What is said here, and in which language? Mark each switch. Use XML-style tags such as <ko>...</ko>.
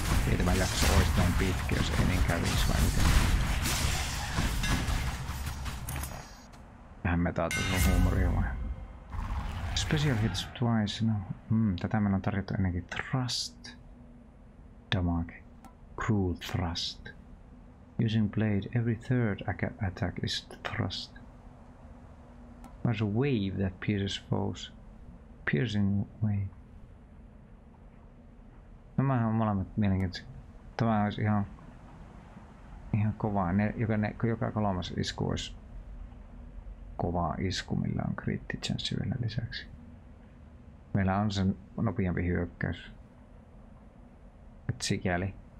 <fi>Ei tämä jakso olisi noin pitkä, jos ei niin kävisi vai miten. Tähän metaa tuohon huumoria vai?</fi> <en>Special hits twice, no.</en> <fi>Tätä meillä on tarjottu ennenkin.</fi> <en>Thrust. Damage. Cruel thrust. Using blade, every third attack is thrust. There's a wave that pierces foes. Piercing wave.</en> <fi>Nämä on molemmat mielenkiintoisia. Tämä olisi ihan kovaa. Joka kolmas isku olisi kovaa isku, millä on kriitti chanssi vielä lisäksi. Meillä on sen nopeampi hyökkäys. Et sikäli.</fi>